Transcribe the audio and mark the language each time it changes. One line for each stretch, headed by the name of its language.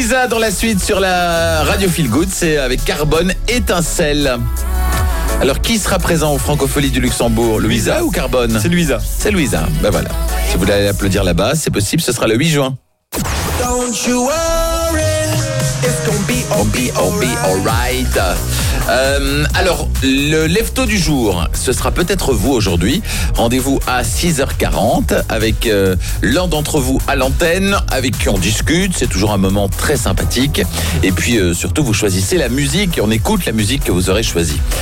French: Dans la suite sur la Radio Feel Good, c'est avec Carbone Étincelle. Alors, qui sera présent aux Francopholies du Luxembourg, Louisa ou Carbone? C'est Louisa. C'est Louisa, ben voilà. Si vous voulez applaudir là-bas, c'est possible, ce sera le 8 juin.
English: Don't you worry, it's gonna be all be, all be alright.
French: Alors, le lève-tôt du jour, ce sera peut-être vous aujourd'hui. Rendez-vous à 6h40 avec l'un d'entre vous à l'antenne, avec qui on discute. C'est toujours un moment très sympathique. Et puis, surtout, vous choisissez la musique et on écoute la musique que vous aurez choisie.